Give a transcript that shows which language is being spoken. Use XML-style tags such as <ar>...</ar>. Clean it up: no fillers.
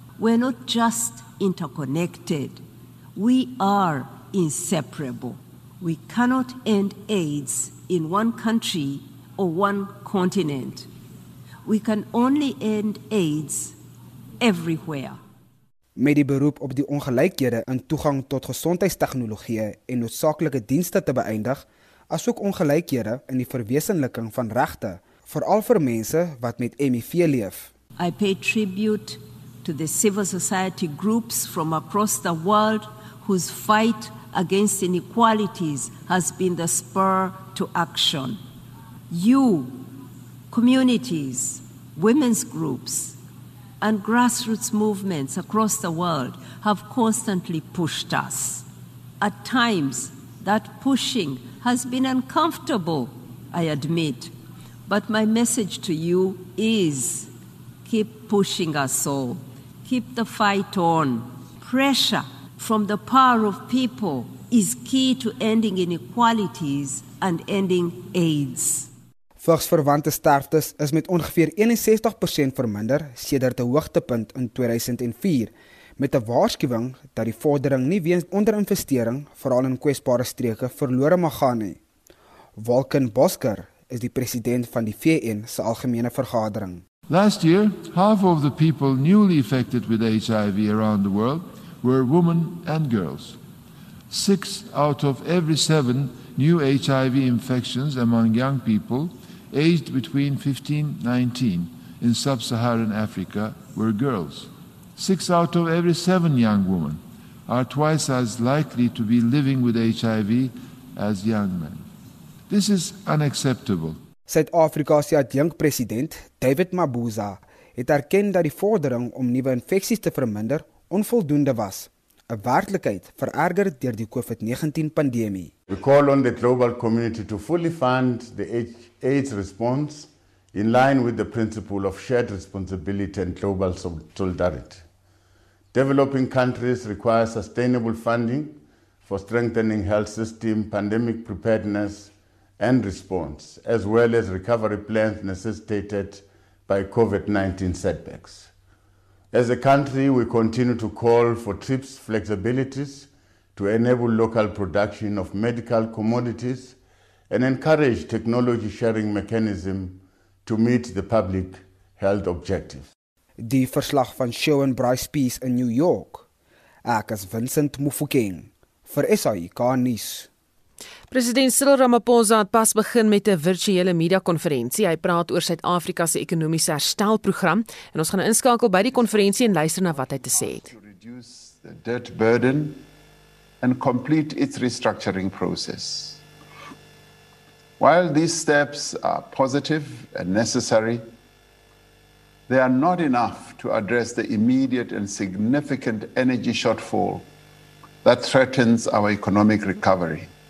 <en>We're not just interconnected, we are inseparable. We cannot end AIDS in one country or one continent. We can only end AIDS everywhere.</en> <af>Met die beroep op die ongelykhede in toegang tot gesondheidstegnologie en noodsaaklike dienste te beëindig, asook ongelykhede in die verwesenliking van regte, veral vir mense wat met HIV leef.</af> <en>I pay tribute to the civil society groups from across the world whose fight against inequalities has been the spur to action. You, communities, women's groups, and grassroots movements across the world have constantly pushed us. At times, that pushing has been uncomfortable, I admit. But my message to you is, keep pushing us all. Keep the fight on. Pressure from the power of people is key to ending inequalities and ending AIDS.</en> <af>Vigsverwante sterftes is met ongeveer 61% verminder sedert 'n hoogtepunt in 2004, met 'n waarskuwing dat die vordering nie weens onderinvestering, veral in kwesbare streke, verlore mag gaan nie. Walken Bosker is die president van die VN se algemene vergadering.</af> <en>Last year, half of the people newly affected with HIV around the world were women and girls. 6 out of every 7 new HIV infections among young people aged between 15 and 19 in sub-Saharan Africa were girls. 6 out of every 7 young women are twice as likely to be living with HIV as young men. This is unacceptable.</en> <af>Suid-Afrika se adjunk president, David Mabuza, het erken dat die vordering om nuwe infeksies te verminder onvoldoende was, 'n werklikheid vererger deur die COVID-19 pandemie.</af> <en>We call on the global community to fully fund the AIDS response in line with the principle of shared responsibility and global solidarity. Developing countries require sustainable funding for strengthening health system, pandemic preparedness and response, as well as recovery plans necessitated by COVID-19 setbacks. As a country, we continue to call for TRIPS flexibilities to enable local production of medical commodities and encourage technology sharing mechanism to meet the public health objectives.</en> <af>Die verslag van Show and Bryce Peace in New York. Ek is Vincent Mofokeng vir SAIK News. President Cyril Ramaphosa het pas begin met 'n virtuele media-konferensie. Hy praat oor Suid-Afrika se ekonomiese herstelprogram en ons gaan inskakel by die konferensie en luister na wat hy te sê het.</af> <en>To reduce the debt burden and complete its restructuring process. While these steps are positive and necessary, they are not enough to address the immediate and significant energy shortfall that threatens our economic recovery.</en>